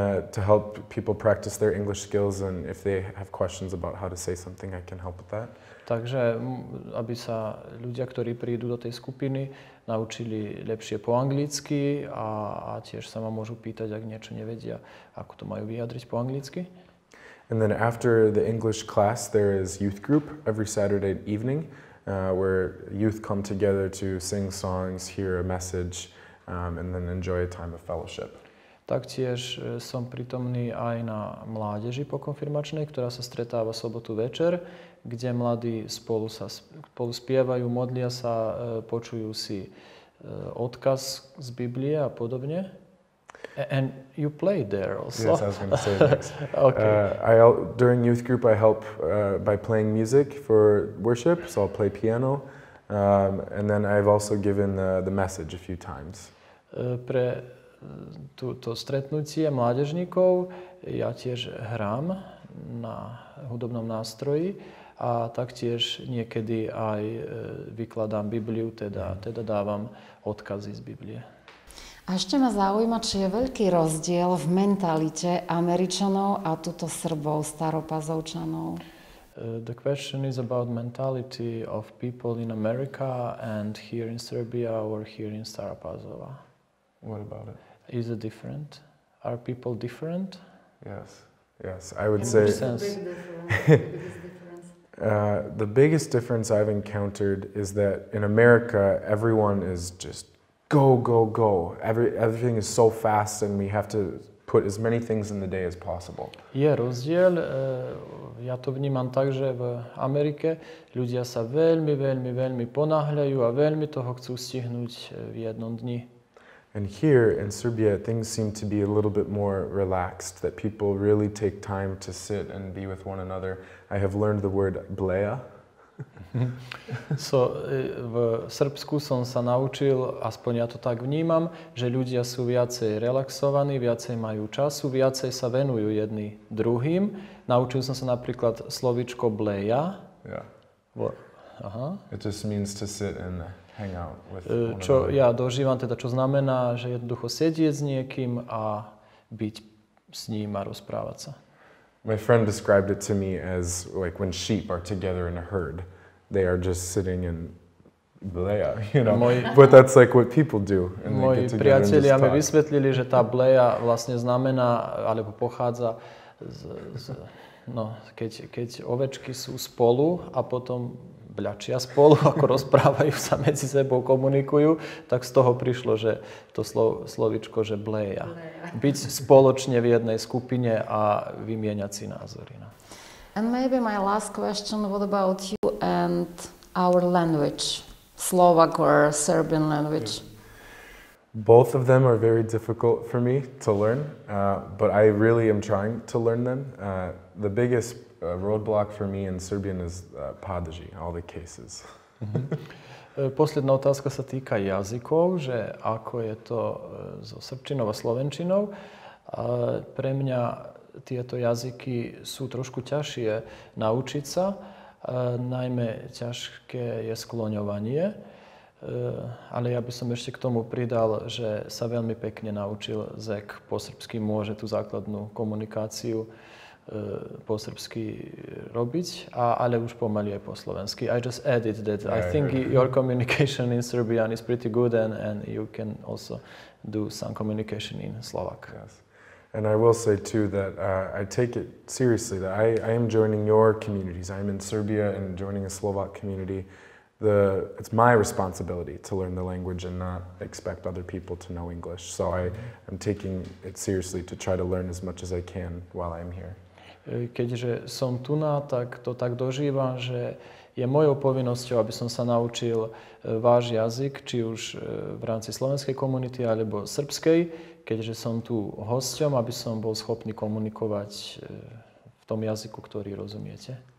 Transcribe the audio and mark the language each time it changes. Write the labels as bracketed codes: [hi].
[en] To help people practice their English skills and if they have questions about how to say something, I can help with that. [sk] Takže, aby sa ľudia, ktorí prídu do tej skupiny, naučili lepšie po anglicky a tiež sa ma môžu pýtať, ak niečo nevedia, ako to majú vyjadriť po anglicky. [en] And then after the English class, there is youth group every Saturday evening. Where youth come together to sing songs, hear a message, and then enjoy a time of fellowship. [sk] Taktiež som prítomný aj na mládeži pokonfirmačnej, ktorá sa stretáva sobotu večer, kde mladí spolu spievajú, modlia sa, počujú si odkaz z Biblie a podobne. [en] And you play there also. Yes, I was going to say next. Okay. During youth group, I help by playing music for worship, so I'll play piano. And then I've also given the message a few times. [sk] Pre túto stretnutie mládežníkov ja tiež hrám na hudobnom nástroji a taktiež niekedy aj vykladám Bibliu, teda dávam odkazy z Biblie. A ešte ma zaujíma, či je veľký rozdiel v mentalite Američanov a tuto Srbov, Staropazovčanov. [en] The question is about mentality of people in America and here in Serbia or here in Stara Pazova. What about it? Is it different? Are people different? Yes. Yes, I would say... In what sense? The biggest difference I've encountered is that in America, everyone is just go, go, go. Everything is so fast and we have to put as many things in the day as possible. [sk] Je rozdiel. Ja to vnímam tak, že v Amerike ľudia sa veľmi, veľmi, veľmi ponáhľajú a veľmi toho chcú stihnúť v jednom dni. [en] And here in Serbia, things seem to be a little bit more relaxed, that people really take time to sit and be with one another. I have learned the word bleja. [sk] So, v Srbsku som sa naučil, aspoň ja to tak vnímam, že ľudia sú viacej relaxovaní, viacej majú času, viacej sa venujú jedni druhým. Naučil som sa napríklad slovičko bleja. [en] Yeah. It just means to sit and hang out with one another. [sk] Čo ja dožívam, teda čo znamená, že jednoducho sedieť s niekým a byť s ním a rozprávať sa. [en] My friend described it to me as like when sheep are together in a herd. They are just sitting in bleja, you know. But that's like what people do. [sk] Moji priatelia mi vysvetlili, že tá bleja vlastne znamená, alebo pochádza z no, keď ovečky sú spolu a potom bľačia spolu, ako rozprávajú sa medzi sebou, komunikujú, tak z toho prišlo, že to slovičko, že bleja. Byť spoločne v jednej skupine a vymieňať si názory. No. [en] And maybe my last question, what about you and our language, Slovak or Serbian language? Both of them are very difficult for me to learn, but I really am trying to learn them. The biggest roadblock for me in Serbian is padaži, all the cases. [sk] Posledná otázka sa týka jazykov, že ako je to so srbčinou a slovenčinou. Pre mňa tieto jazyky sú trošku ťažšie naučiť sa, najmä ťažké je skloňovanie. Ale ja by som ešte k tomu pridal, že sa veľmi pekne naučil Zek po srbsky, môže tú základnú komunikáciu po srbsky robiť, ale už pomaly aj po slovensky. [en] I just added that I think your communication in Serbian is pretty good and you can also do some communication in Slovak. Yes. And I will say too that I take it seriously that I am joining your communities. I'm in Serbia and joining a Slovak community. It's my responsibility to learn the language and not expect other people to know English. So I am taking it seriously to try to learn as much as I can while I'm here. [sk] Keďže som tuná, tak to tak dožívam, že je mojou povinnosťou, aby som sa naučil váš jazyk, či už v rámci slovenskej komunity alebo srbskej, keďže som tu hosťom, aby som bol schopný komunikovať v tom jazyku, ktorý rozumiete.